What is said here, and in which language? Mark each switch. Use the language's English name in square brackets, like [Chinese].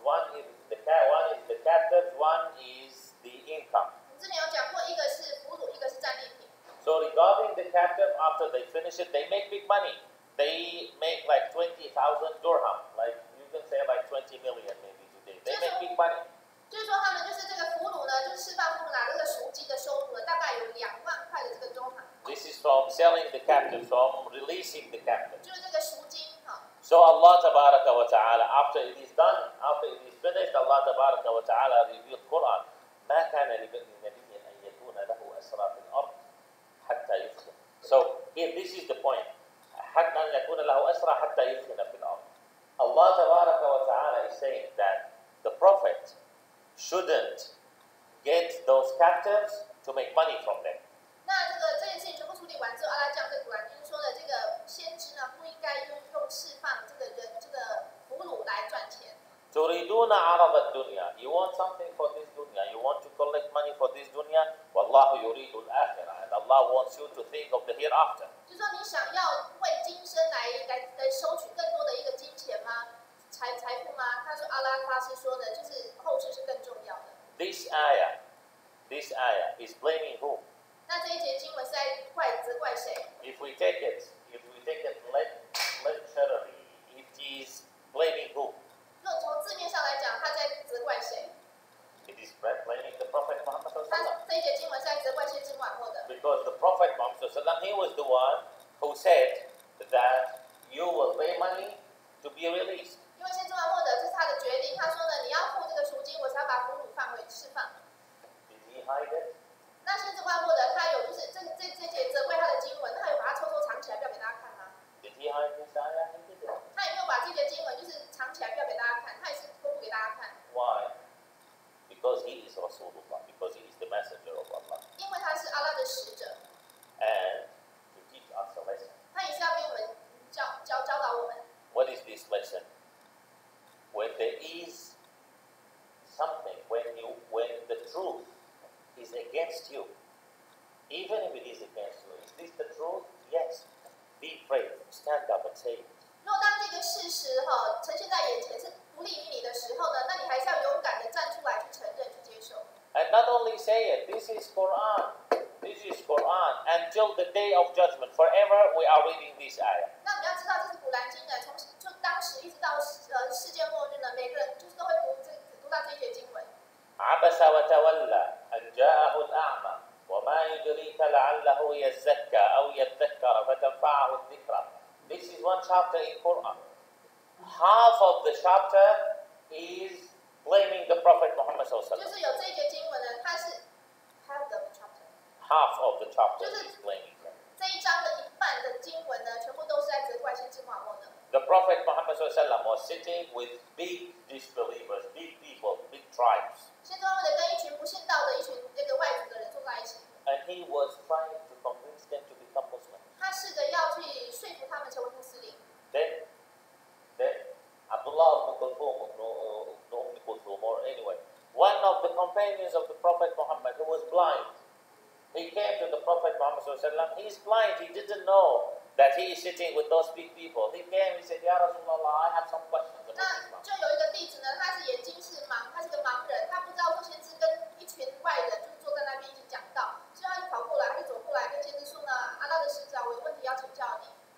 [English] One is the captive, one is the income. So regarding the captive, after they finish it, they make big money. They make like 20,000 dirham. Like you can say like 20 million maybe today. They make big money. [Chinese] 就是说他们就是这个俘虏呢，就是释放俘虏拿这个赎金的收入呢，大概有20,000的这个dirham。 [English] This is from selling the captive, from releasing the captive. [Chinese] 就是这个赎金。 [English] So Allah Tabaraka wa Ta'ala, after it is done, after it is finished, Allah Tabaraka wa Ta'ala revealed Quran. [Arabic] مَا كَانَ لِبَنِ نَبِيٍّ أَنْ يَكُونَ لَهُ أَسْرَى فِي الْأَرْضِ حَتَّى يُخْلَى. [English] So here, this is the point. [Arabic] حَتَّى أَنْ يَكُونَ لَهُ أَسْرَى حَتَّى يُخْلَى فِي الْأَرْضِ. [English] Allah Tabaraka wa Ta'ala is saying that the Prophet shouldn't get those captives to make money from them. [Chinese] 那这个这件事情全部处理完之后，阿拉降这个古兰经说的这个先知呢，不应该用释放这个俘虏来赚钱。 [Arabic] Turiduna arad al-dunya, [English] you want something for this dunya, you want to collect money for this dunya. [Arabic] Wallahu yuridu al-akhirah, [English] and Allah wants you to think of the hereafter. [Chinese] 就说你想要为今生来收取更多的一个金钱吗？财富吗？他说阿拉法师说的，就是后世是更重要的。 [English] This ayah is blaming who? [Chinese] 那这一节经文是在责怪谁？ [English] If we take it literally, it is blaming who? [Chinese] 若从字面上来讲，他在责怪谁？ [English] It is blaming the Prophet Muhammad sallallahu [Arabic] alaihi wasallam. [Chinese] 这一节经文是在责怪先知穆罕默德。 [English] Because the Prophet Muhammad sallallahu alaihi wasallam, he was the one who said that you will pay money to be released. [Chinese] 因为先知穆罕默德这是他的决定，他说呢，你要付这个赎金，我才把俘虏放回释放。 [English] Did he hide it? [Chinese] 那先知穆罕默德他有就是这些责怪他的经文，他有把他偷偷藏起来不要给大家看吗？ [English] Did he hide this ayah? He did. [Chinese] 他有没有把这些经文就是藏起来不要给大家看？他也是公布给大家看。 [English] Why? Because he is Rasulullah. Because he is the messenger of Allah. [Chinese] 因为他是阿拉的使者。 [English] And to teach us a lesson. [Chinese] 他也是要给我们教导我们。 [English] What is this lesson? When there is something, when the truth. Is against you. Even if it is against you, is this the truth? Yes. Be brave. Stand up and say it. [Chinese] 若当这个事实哈呈现在眼前是不利于你的时候呢，那你还是要勇敢的站出来去承认去接受。 [English] And not only say it. This is Quran. This is Quran. Until the day of judgment, forever we are reading this ayah. [Chinese] 那你要知道这是古兰经的，从当时一直到世界末日呢，每个人就是都会读到这些经文。 [Arabic] عبس وتولى أن جاءه الأعمى وما يدريك لعله يزكى أو يذكر فتنفعه الذكرى. [English] This is one chapter in Quran. Half of the chapter is blaming the Prophet Muhammad صلى الله عليه وسلم. [Chinese] 就是有这节经文呢，它是 [English] half of the chapter. Half of the chapter is blaming. [Chinese] 就是这一章的一半的经文呢，全部都是在责怪先知穆罕默德。 [English] The Prophet Muhammad صلى الله عليه وسلم was sitting with big disbelievers, big people, big tribes. [Chinese] 先知穆罕默德跟一群不信道的一群那个外族的人坐在一起。 [English] And he was trying to convince them to become Muslim. [Chinese] 他试着要去说服他们成为穆斯林。 [English] Then Abdullah ibn Kulthum, no ibn Kulthum, or anyway, one of the companions of the Prophet Muhammad who was blind, he came to the Prophet Muhammad sallallahu alaihi wasallam. He's blind. He didn't know. That he is sitting with those big people. He came and said, Ya Rasulullah, I have some questions about Islam. [Chinese] 那就有一个弟子呢，他是眼睛是盲，他是个盲人，他不知道说先知跟一群外人就坐在那边一起讲道，所以他就跑过来，他就走过来跟先知说呢，阿拉的使者，我有问题要请教你。